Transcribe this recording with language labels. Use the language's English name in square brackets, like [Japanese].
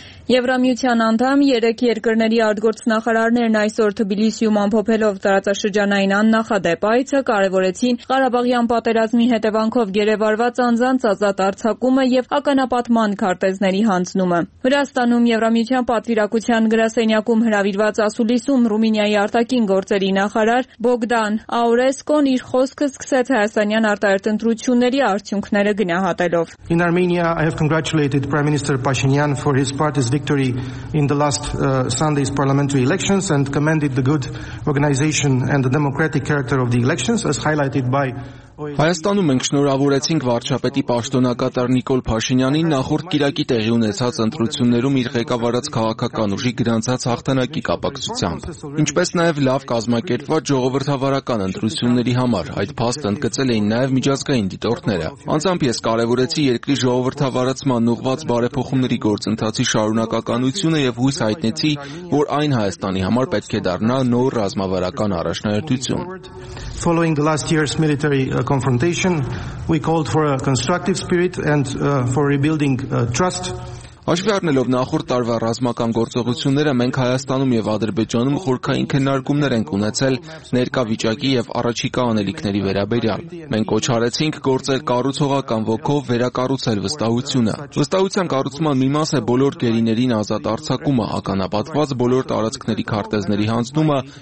[Armenian] Եվրամիության անդամ երեք երկրների արտգործնախարարներն այսօր Թբիլիսիում ամփոփելով տարածաշրջանային աննախադեպ այցը կարևորեցին Ղարաբաղյան պատերազմի հետևանքով գերեվարված անձանց ազատ արձակումը և ականապատման քարտեզների հանձնումը։ Վրաստանում Եվրամիության պատվիրակության գրասենյակում հրավիրված ասուլիսում Ռումինիայի արտաքին գործերի նախարար Բոգդան Աուրեսկոն իր խոսքը սկսեց հայաստանյան արտահերտ ընտրությունների արդյունքները գնահատելով։ [English] Victory in the last Sunday's parliamentary elections and commended the good organization and the democratic character of the elections as highlighted by [Armenian] Հայաստանում ենք շնորհավորեցինք վարչապետի պաշտոնակատար Նիկոլ Փաշինյանին նախորդ կիրակի տեղի ունեցած ընտրություններում իր ղեկավարած քաղաքական ուժի գրանցած հաղթանակի կապակցությամբ, ինչպես նաև լավ կազմակերպված ժողովրդավարական ընտրությունների համար։ Այդ փաստը ընդգծել էին նաև միջազգային դիտորդները։ Անձամբ ես կարևորեցի երկրի ժողովրդավարացման ուղղված բարեփոխումների գործընթացի շարունակականությունը և հույս հայտնեցի, որ այն Հայաստանի համար պետք է դառնա նոր ռազմավարական առաջնահերթություն։ [English] Following the last year's military confrontation, we called for a constructive spirit and for rebuilding trust. [Armenian] Աշվի առնելով նախորդ տարվա ռազմական գործողությունները, մենք Հայաստանում և Ադրբեջանում խորքային քննարկումներ ենք ունեցել ներկա վիճակի և առաջիկա անելիքների վերաբերյալ։ Մենք կոչարեցինք գործել կառուցողական ոգով վերակառուցել վստահությունը։ Վստահության կառուցման մի մաս է բոլոր գերիներին ազատ արձակումը, ականապատված բոլոր տարածքների քարտեզների հանձնումը,